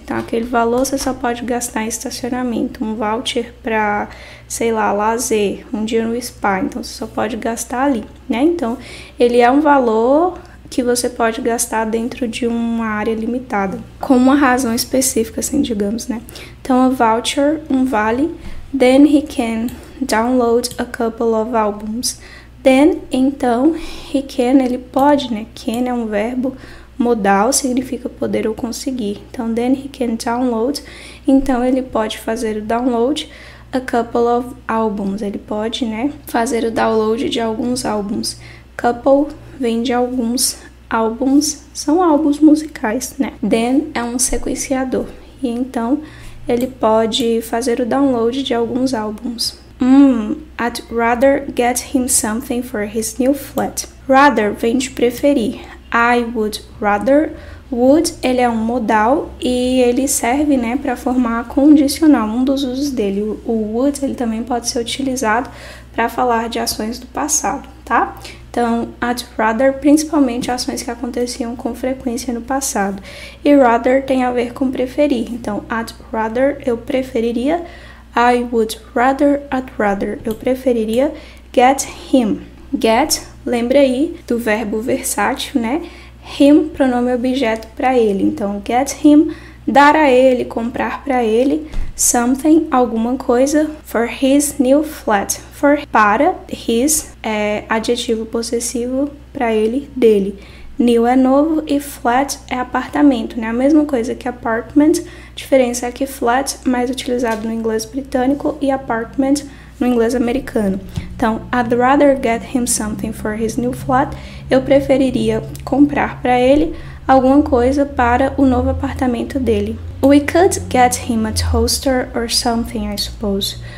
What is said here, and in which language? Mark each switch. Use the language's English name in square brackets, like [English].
[Portuguese] Então, aquele valor você só pode gastar em estacionamento. Um voucher para, sei lá, lazer, um dia no spa. Então, você só pode gastar ali, né? Então, ele é um valor que você pode gastar dentro de uma área limitada, com uma razão específica, assim, digamos, né? Então, a voucher, um vale. [English] Then he can download a couple of albums. Then, [Portuguese] então, [English] he can, [Portuguese] ele pode, né? Can é um verbo modal, significa poder ou conseguir. Então, [English] then he can download. [Portuguese] Então, ele pode fazer o download [English] a couple of albums. [Portuguese] Ele pode, né, fazer o download de alguns álbuns. Couple vem de alguns álbuns, são álbuns musicais, né? Then é um sequenciador. E então, ele pode fazer o download de alguns álbuns. [English] I'd rather get him something for his new flat. [Portuguese] Rather vem de preferir. [English] I would rather. [Portuguese] Would, ele é um modal e ele serve, né, para formar condicional, um dos usos dele. O would, ele também pode ser utilizado para falar de ações do passado, tá? Então, [English] I'd rather, [Portuguese] principalmente ações que aconteciam com frequência no passado. E rather tem a ver com preferir. Então, [English] I'd rather, [Portuguese] eu preferiria. [English] I would rather, I'd rather, [Portuguese] eu preferiria [English] get him. [Portuguese] Get, lembra aí do verbo versátil, né? Him, pronome objeto para ele. Então, [English] get him, [Portuguese] dar a ele, comprar para ele [English] something, [Portuguese] alguma coisa, [English] for his new flat. [Portuguese] For, para, his, é adjetivo possessivo para ele, dele. New é novo e flat é apartamento, né? A mesma coisa que apartment, diferença é que flat mais utilizado no inglês britânico e apartment no inglês americano. [English] Então, I'd rather get him something for his new flat. [Portuguese] Eu preferiria comprar para ele alguma coisa para o novo apartamento dele. [English] We could get him a toaster or something, I suppose.